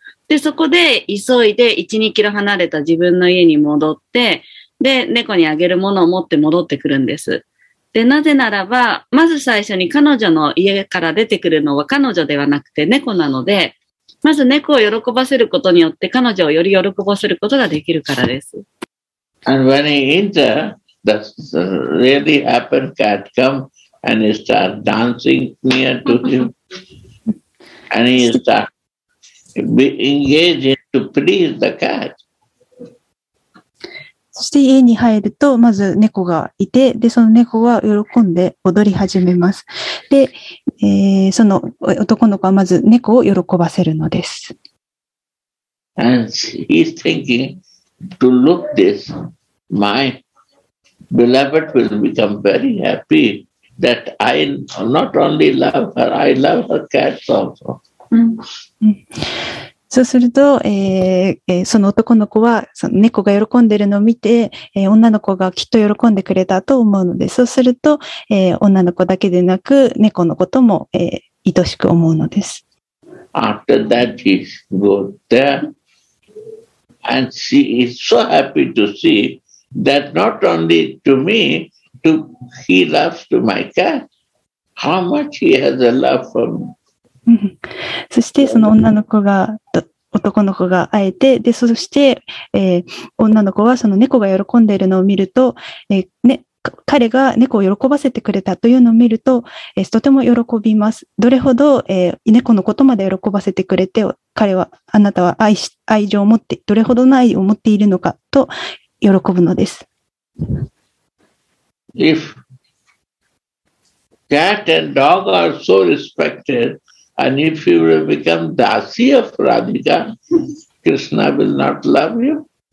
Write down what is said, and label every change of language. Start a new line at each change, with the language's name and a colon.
Japanese: で、そこで急いで 1-2キロ離れた自分の家に戻って、で、猫にあげるものを持って戻ってくるんです。で、なぜならば、まず最初に彼女の家から出てくるのは彼女ではなくて猫なので、まず猫を喜ばせることによって彼女をより喜ばせることができるからです。
English: And when he enter, the really happy cat come and he start dancing near to him. And he start engaging to please the cat.
Japanese: そして家に入ると、まず猫がいて、で、その猫は喜んで踊り始めます。で、その男の子はまず猫を喜ばせるのです。
English: And he's thinking, to look this, my beloved will become very happy that I not only love her, I love her cats also.
Japanese: そうすると、その男の子はその猫が喜んでるのを見て、女の子がきっと喜んでくれたと思うので、そうすると、女の子だけでなく猫のことも、愛しく思うのです。
English: After that, he goes there, and she is so happy to see that not only to me, to he loves to my cat. How much he has a love for me.
Japanese: そしてその女の子が男の子が会えてでそして、女の子はその猫が喜んでいるのを見ると、ね、彼が猫を喜ばせてくれたというのを見ると、とても喜びますどれほど、猫のことまで喜ばせてくれて彼はあなたは 愛情を持ってどれほどの愛を持っているのかと喜ぶのです
English: If cat and dog are so respected,And if you will become Dasi of Radhika, Krishna will not love you.